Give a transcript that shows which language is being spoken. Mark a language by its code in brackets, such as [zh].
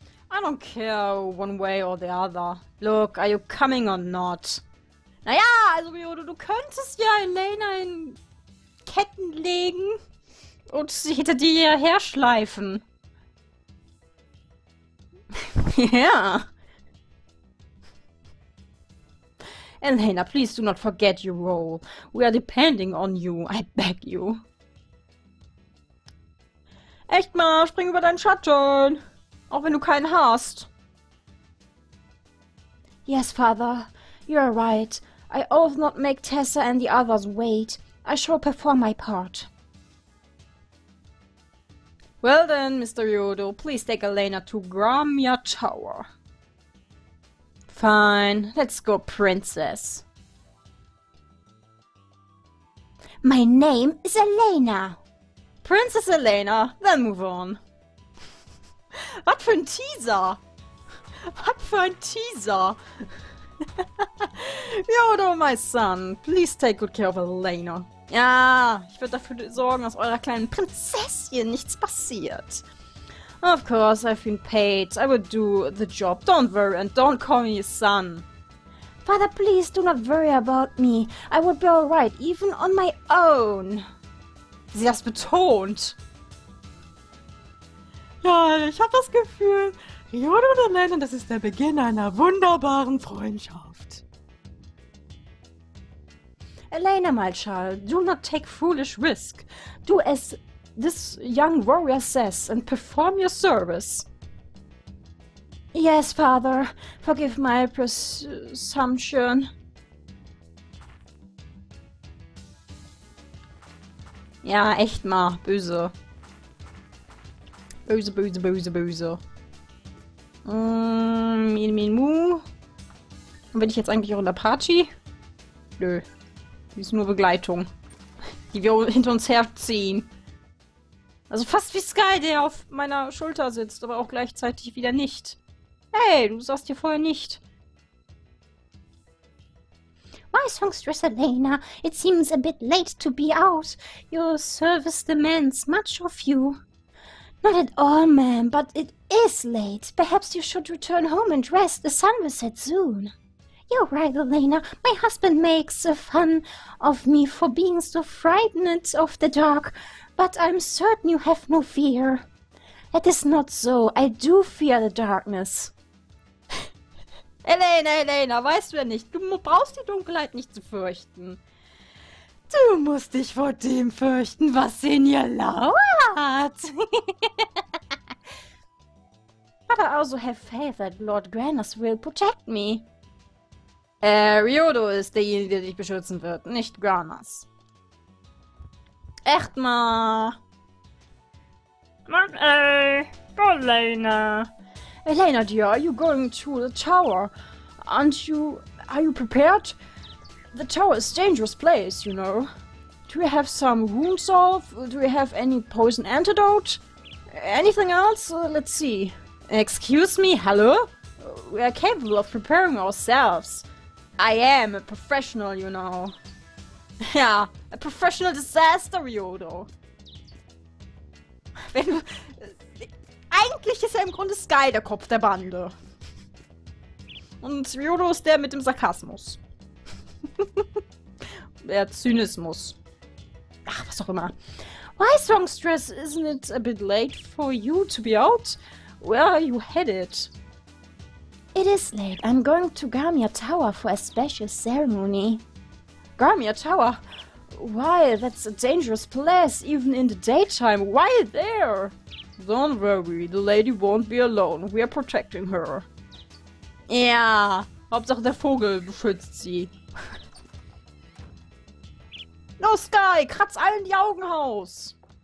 [en] I don't care one way or the other. Look, are you coming or not? [de] Naja, also du könntest ja Elena in Ketten legen und sie hinter dir her schleifen. Ja. [en] Elena, please do not forget your role. We are depending on you, I beg you. [de] Echt mal, spring über deinen Schatten. Auch wenn du keinen hast. [en] Yes, father. You are right. I ought not make Tessa and the others wait. I shall perform my part. Well then, Mr. Yodo, please take Elena to Grandia Tower. Fine, let's go, princess. My name is Elena. Princess Elena, then move on. What for a teaser! What for a teaser! Yodo, my son, please take good care of Elena. [de] Ja, ich werde dafür sorgen, dass eurer kleinen Prinzessin nichts passiert. [en] Of course, I've been paid. I will do the job. Don't worry and don't call me son. Father, please do not worry about me. I will be alright, even on my own. [de] Sie hat's betont. Ja, ich habe das Gefühl, Yodo und Elena, das ist der Beginn einer wunderbaren Freundschaft. [en] Elena, my child, do not take foolish risk. Do as this young warrior says and perform your service. Yes, father. Forgive my presumption. [de] Ja, echt mal. Böse. Böse, böse, böse, böse. Min, min, mu. Und bin ich jetzt eigentlich auch in der Party? Nö. Die ist nur Begleitung, die wir hinter uns herziehen. Also fast wie Sky, der auf meiner Schulter sitzt, aber auch gleichzeitig wieder nicht. Hey, du sahst hier vorher nicht. [en] Why, Songstress Elena, it seems a bit late to be out. Your service demands much of you. Not at all, ma'am, but it is late. Perhaps you should return home and rest. The sun will set soon. You're right, Elena. My husband makes fun of me for being so frightened of the dark, but I'm certain you have no fear. That is not so. I do fear the darkness. [de] Elena, Elena, weißt du ja nicht, du brauchst die Dunkelheit nicht zu fürchten. Du musst dich vor dem fürchten, was in ihr lauert. [en] But I also have faith that Lord Granus will protect me. [de] Ryodo ist derjenige, der dich beschützen wird, nicht Granas. Echt mal! Mann, ey! Go, Elena! [en] Elena, dear, are you going to the tower? Are you prepared? The tower is a dangerous place, you know. Do you have some wound salve? Do you have any poison antidote? Anything else? Let's see. Excuse me, hello? We are capable of preparing ourselves. I am a professional, you know. Yeah, a professional disaster, Ryodo. [de] Wenn du... Eigentlich ist er im Grunde Sky der Kopf der Bande. Und Ryodo ist der mit dem Sarkasmus. Der Zynismus. Ach, was auch immer. [en] Why, Songstress, isn't it a bit late for you to be out? Where are you headed? It is late. I'm going to Grandia Tower for a special ceremony. Grandia Tower? Why, that's a dangerous place, even in the daytime. Why there? Don't worry, the lady won't be alone. We are protecting her. [de] Yeah, Hauptsache der Vogel beschützt sie. No, Sky, kratz allen die Augen aus!